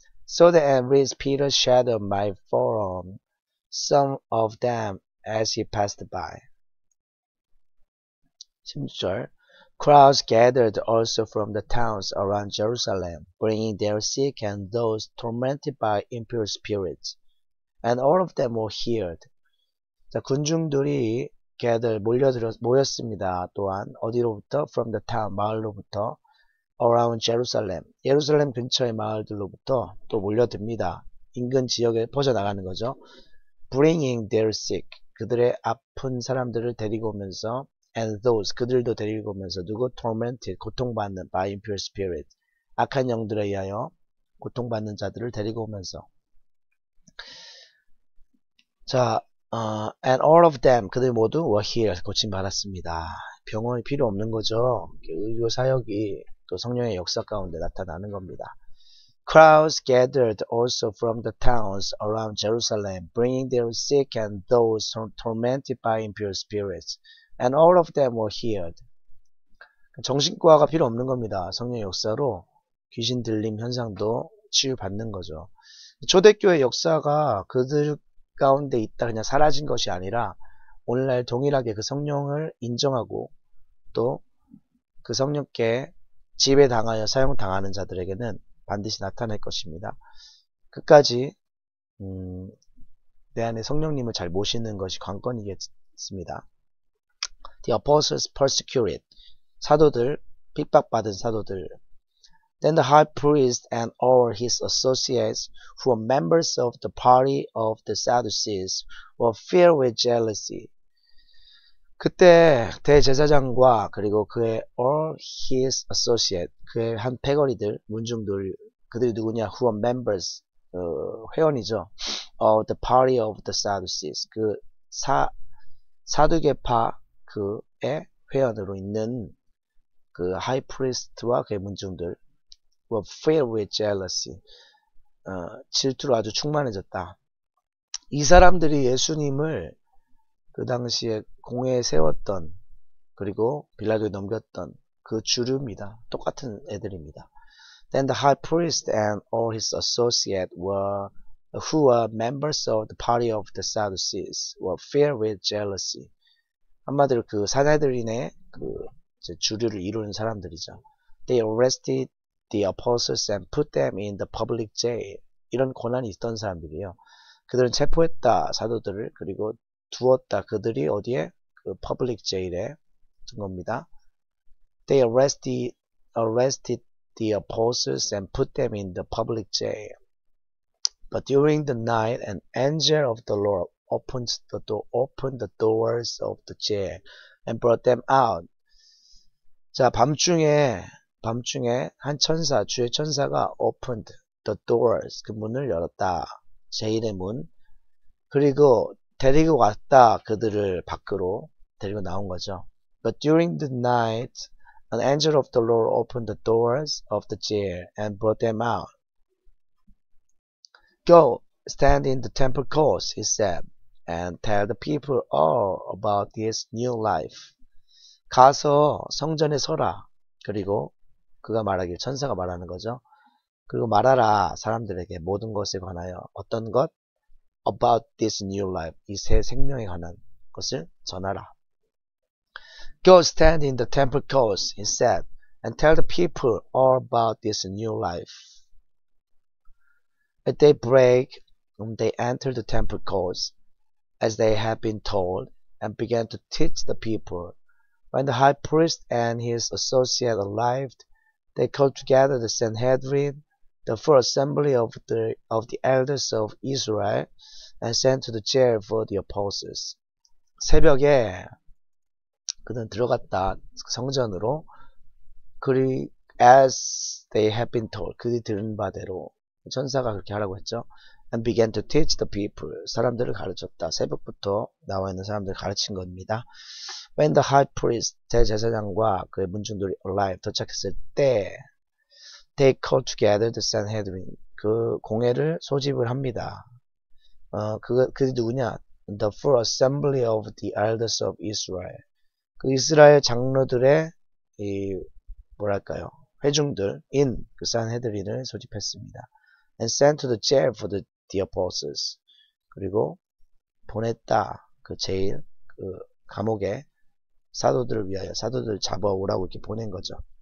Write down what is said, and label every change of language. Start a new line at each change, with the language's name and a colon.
English: So that at least Peter's shadow might fall on some of them as he passed by. 16절 Crowds gathered also from the towns around Jerusalem, bringing their sick and those tormented by impure spirits. And all of them were healed.
Korean: 자, 군중들이 모였습니다. 또한 어디로부터?
English: From the town,
Korean: 마을로부터.
English: Around Jerusalem,
Korean: 예루살렘 근처의 마을들로부터 또 몰려듭니다. 인근 지역에 퍼져나가는 거죠.
English: Bringing their sick,
Korean: 그들의 아픈 사람들을 데리고 오면서
English: and those,
Korean: 그들도 데리고 오면서 누구?
English: Tormented,
Korean: 고통받는
English: by impure spirit,
Korean: 악한 영들에 의하여 고통받는 자들을 데리고 오면서 자,
English: and all of them,
Korean: 그들 모두
English: were healed,
Korean: 고침받았습니다. 병원이 필요 없는 거죠. 의료사역이 또 성령의 역사 가운데 나타나는 겁니다.
English: Crowds gathered also from the towns around Jerusalem, bringing their sick and those tormented by impure spirits, and all of them were healed.
Korean: 정신과가 필요 없는 겁니다. 성령의 역사로 귀신 들림 현상도 치유받는 거죠. 초대교회 역사가 그들 가운데 있다 그냥 사라진 것이 아니라 오늘날 동일하게 그 성령을 인정하고 또 그 성령께 지배당하여 사용당하는 자들에게는 반드시 나타날 것입니다. 끝까지 내 안에 성령님을 잘 모시는 것이 관건이겠습니다.
English: The apostles persecuted.
Korean: 사도들, 핍박받은 사도들.
English: Then the high priest and all his associates who were members of the party of the Sadducees were filled with jealousy.
Korean: 그때 대제사장과 그리고 그의
English: all his associates,
Korean: 그의 한 패거리들, 문중들, 그들이 누구냐?
English: Who are members,
Korean: 회원이죠.
English: Of the party of the Sadducees.
Korean: 그 사두개파 그의 회원으로 있는 그
English: high priest
Korean: 와 그의 문중들
English: were filled with jealousy.
Korean: 질투로 아주 충만해졌다. 이 사람들이 예수님을 그 당시에 공회에 세웠던 그리고 빌라도에 넘겼던 그 주류입니다. 똑같은 애들입니다.
English: Then the high priest and all his associates who were members of the party of the Sadducees were filled with jealousy.
Korean: 한마디로 그 사내들인의 그 주류를 이루는 사람들이죠.
English: They arrested the apostles and put them in the public jail.
Korean: 이런 고난이 있던 사람들이요. 그들은 체포했다 사도들을 그리고 두었다 그들이 어디에? 그
English: public jail
Korean: 에 둔 겁니다.
English: They arrested the apostles and put them in the public jail. But during the night, an angel of the Lord opened the doors of the jail and brought them out.
Korean: 자, 밤중에 한 천사, 주의 천사가
English: opened the doors,
Korean: 그 문을 열었다. 제일의 문. 그리고 데리고 왔다. 그들을 밖으로 데리고 나온 거죠.
English: But during the night, an angel of the Lord opened the doors of the jail and brought them out. Go, stand in the temple courts, he said, and tell the people all about this new life.
Korean: 가서 성전에 서라. 그리고 그가 말하길, 천사가 말하는 거죠. 그리고 말하라, 사람들에게 모든 것에 관하여. 어떤 것?
English: About this new life.
Korean: 이 새 생명에 관한 것을 전하라.
English: Go stand in the temple courts, he said, and tell the people all about this new life. At daybreak, they entered the temple courts, as they had been told, and began to teach the people. When the high priest and his associate arrived, they called together the Sanhedrin, the full assembly of the elders of Israel, and sent to the jail for the apostles.
Korean: 새벽에 그는 들어갔다 성전으로. 그리
English: as they had been told,
Korean: 그들이 들은 바대로 천사가 그렇게 하라고 했죠.
English: And began to teach the people.
Korean: 사람들을 가르쳤다. 새벽부터 나와 있는 사람들 가르친 겁니다.
English: When the high priest,
Korean: 대제사장과 그의 문중들이
English: arrived,
Korean: 도착했을 때,
English: they called together the Sanhedrin.
Korean: 그 공회를 소집을 합니다. 그게 누구냐?
English: The full assembly of the elders of Israel.
Korean: 그 이스라엘 장로들의 이 뭐랄까요? 회중들 in 그 산헤드린을 소집했습니다.
English: And sent to the jail for the apostles.
Korean: 그리고 보냈다 그 제일 그 감옥에 사도들을 위하여 사도들 잡아오라고 이렇게 보낸 거죠.